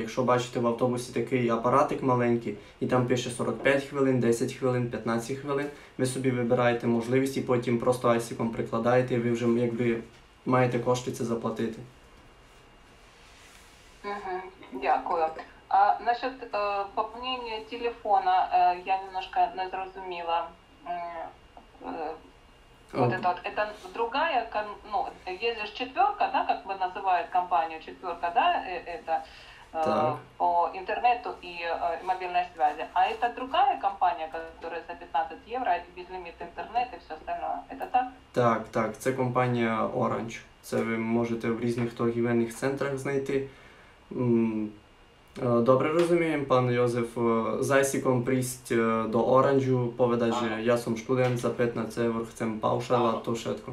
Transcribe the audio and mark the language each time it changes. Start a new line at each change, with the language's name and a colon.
Ukrainian: Якщо бачите в автобусі такий апаратик маленький, і там пише 45 хвилин, 10 хвилин, 15 хвилин, ви собі вибираєте можливість і потім просто айсіком прикладаєте, і ви вже якби маєте кошти це заплатити. Дякую. Насчет поповнення телефона я немножко не зрозуміла.
Russian: Это другая, ну, есть же четверка, да, как бы называют компанию, четверка, да, это по интернету и мобильной связи. А это другая компания, которая за 15 евро, безлимит интернет и все остальное, это так? Так, так, это компания Orange. Это вы можете в разных торговых центрах найти.
Ukrainian: Добре розуміємо, пан Йозеф, з айсіком прийти до Оранжу, повідати, що я сам студент, за 15 євро хочемо паушал, а то все.